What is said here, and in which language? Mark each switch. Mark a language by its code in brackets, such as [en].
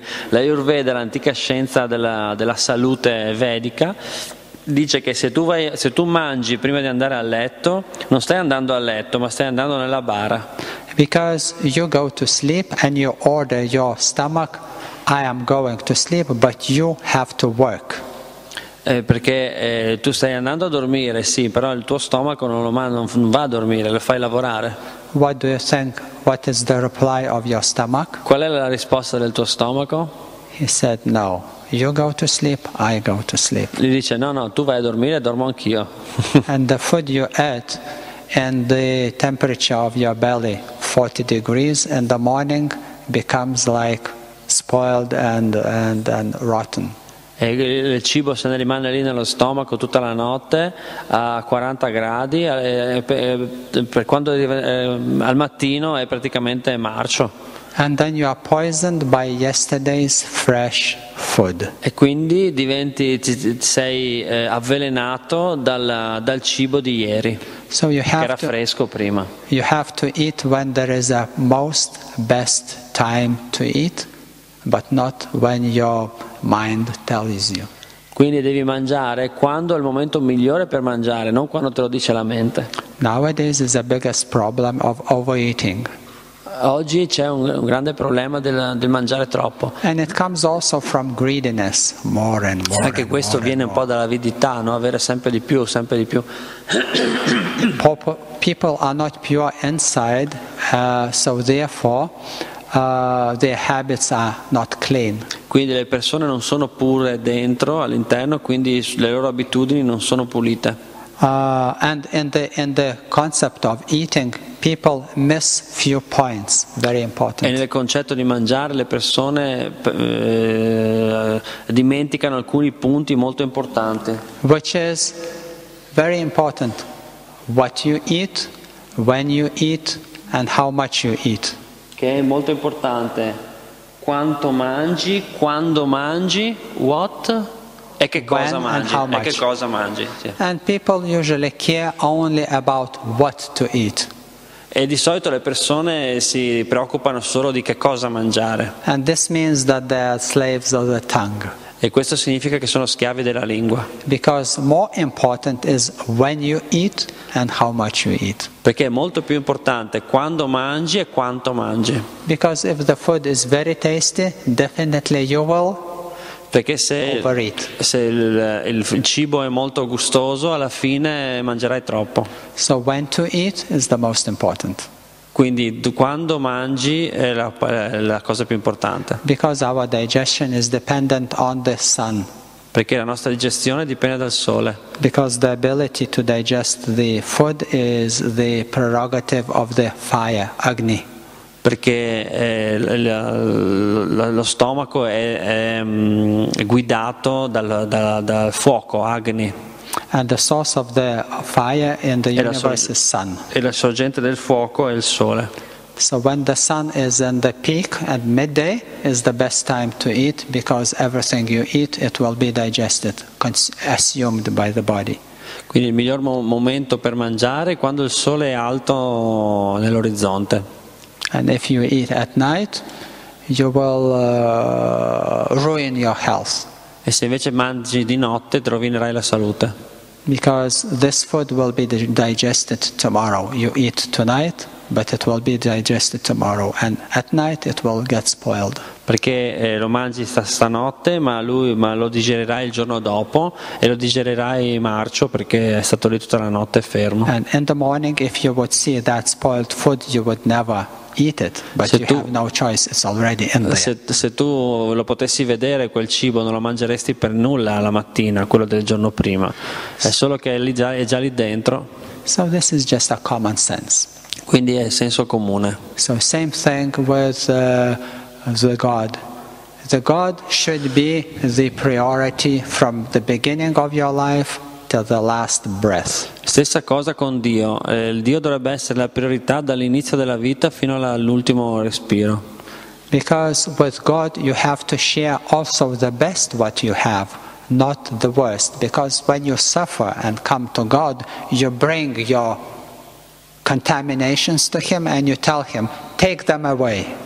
[it] L'Ayurveda, l'antica scienza della salute vedica, dice che se tu mangi prima di andare a letto, non stai andando a letto, ma stai andando nella bara. [en] Because you go to sleep and you order your stomach, I am going to sleep, but you have to work. [it] Perché tu stai andando a dormire, sì, però il tuo stomaco non va a dormire, lo fai lavorare. [en] What do you think? What is the reply of your stomach? [it] Qual è la risposta del tuo stomaco? [en] He said, no, you go to sleep, I go to sleep. [it] Gli dice, no, tu vai a dormire, dormo anch'io. [en] And the food you eat and the temperature of your belly, 40 degrees in the morning, becomes like spoiled and rotten. [it] E il cibo se ne rimane lì nello stomaco tutta la notte a 40 gradi per quando al mattino è praticamente marcio. [en] And then you are poisoned by yesterday's fresh food. [it] E quindi sei avvelenato dal cibo di ieri. [en] So you have [it] che era fresco prima. [en] You have to eat when there is a most best time to eat. But not when your mind tells you. [it] Quindi devi mangiare quando è il momento migliore per mangiare, non quando te lo dice la mente. [en] Nowadays is the biggest problem of overeating. [it] Oggi c'è un grande problema del mangiare troppo. [en] And it comes also from greediness, more and more. [it] Anche questo [en] more [it] viene un po' dall'avidità, no? Avere sempre di più, sempre di più. [en] People are not pure inside, so therefore. Their habits are not clean. [it] Quindi le persone non sono pure dentro, all'interno, quindi le loro abitudini non sono pulite. [en] And in the concept of eating, people miss few points, very important. [it] E nel concetto di mangiare, le persone dimenticano alcuni punti molto importanti. [en] Which is very important: what you eat, when you eat, and how much you eat. [it] Che è molto importante. Quanto mangi, quando mangi, [en] what [it] e che cosa [en] when [it] mangi? [en] And how much. [it] E che cosa mangi? Sì. [en] And people usually care only about what to eat. [it] E di solito le persone si preoccupano solo di che cosa mangiare. [en] And this means that they are slaves of the tongue. [it] E questo significa che sono schiavi della lingua. [en] Because more important is when you eat and how much you eat. [it] Perché è molto più importante quando mangi e quanto mangi. [en] Because if the food is very tasty, definitely you will. [it] Perché se il cibo è molto gustoso, alla fine mangerai troppo. [en] So when to eat is the most important. [it] Quindi quando mangi è la cosa più importante. [en] Because our digestion is dependent on the sun. [it] Perché la nostra digestione dipende dal sole. [en] Because the ability to digest the food is the prerogative of the fire, Agni. [it] Perché lo stomaco è guidato dal fuoco, Agni. [en] And the source of the fire in the universe is sun. [it] E la sorgente del fuoco è il sole. [en] So when the sun is in the peak at midday is the best time to eat, because everything you eat it will be digested, assumed by the body. [it] Quindi il miglior momento per mangiare è quando il sole è alto nell'orizzonte. [en] And if you eat at night you will ruin your health. [it] E se invece mangi di notte ti rovinerai la salute. [en] Because this food will be digested tomorrow. You eat tonight, but it will be digested tomorrow, and at night it will get spoiled. [it] Perché lo mangi stanotte, ma lo digerirai il giorno dopo, e lo digerirai marcio perché è stato lì tutta la notte fermo. [en] And in the morning, if you would see that spoiled food, you would never eat it, but you have no choice, it's already in there. [it] Se tu lo potessi vedere quel cibo, non lo mangeresti per nulla la mattina, quello del giorno prima. È solo che è già lì dentro. [en] So this is just a common sense. [it] Quindi è senso comune. [en] So same thing with the God. The God should be the priority from the beginning of your life till the last breath. [it] Stessa cosa con Dio. Il Dio dovrebbe essere la priorità dall'inizio della vita fino all'ultimo respiro. [en] Because with God you have to share also the best what you have, not the worst. Because when you suffer and come to God, you bring your contaminations to him and you tell him, take them away.